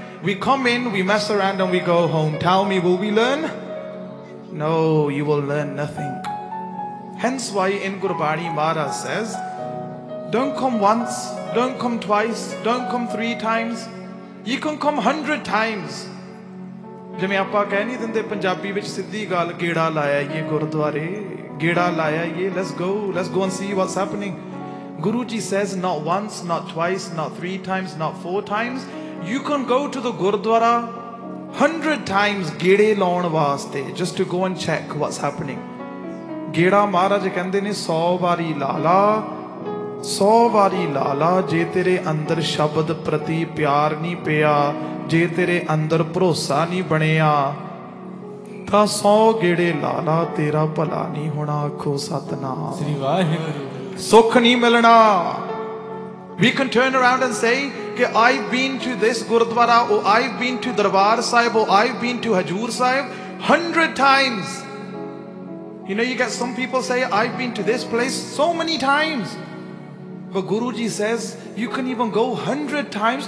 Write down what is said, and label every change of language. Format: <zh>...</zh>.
<en>We come in, we mess around, and we go home. Tell me, will we learn? No, you will learn nothing. Hence why in Gurbani Maharaj says, don't come once, don't come twice, don't come three times. You can come 100 times.</en> <pa>ਜਿਵੇਂ ਆਪਾਂ ਕਹਿ ਨਹੀਂ ਦਿੰਦੇ ਪੰਜਾਬੀ ਵਿੱਚ ਸਿੱਧੀ ਗੱਲ, ਗੇੜਾ ਲਾਇਆ ਯੇ ਗੁਰਦੁਆਰੇ, ਗੇੜਾ ਲਾਇਆ ਯੇ,</pa> <en>Let's go and see what's happening. Guru ji says not once, not twice, not three times, not four times. You can go to the gurdwara 100 times</en> <pa>ਗੇੜੇ ਲਾਉਣ ਵਾਸਤੇ,</pa> <en>Just to go and check what's happening.</en> <pa>ਗੇੜਾ ਮਹਾਰਾਜ ਕਹਿੰਦੇ ਨੇ 100 ਵਾਰੀ ਲਾ ਲਾ, 100 ਵਾਰੀ ਲਾ ਲਾ. ਜੇ ਤੇਰੇ ਅੰਦਰ ਸ਼ਬਦ ਪ੍ਰਤੀ ਪਿਆਰ ਨਹੀਂ ਪਿਆ, ਜੇ ਤੇਰੇ ਅੰਦਰ ਭਰੋਸਾ ਨਹੀਂ ਬਣਿਆ, ਤਾਂ 100 ਗੇੜੇ ਲਾ ਲਾ, ਤੇਰਾ ਭਲਾ ਨਹੀਂ ਹੋਣਾ. ਆਖੋ ਸਤਨਾਮ, ਸ੍ਰੀ ਵਾਹਿਗੁਰੂ, ਸੁੱਖ ਨਹੀਂ ਮਿਲਣਾ.</pa> <en>We can turn around and say ke I've been to this gurdwara, oh I've been to darbar sahib, oh I've been to hazur sahib 100 times. You know, you get some people say I've been to this place so many times, but Guruji says you can even go 100 times.</en>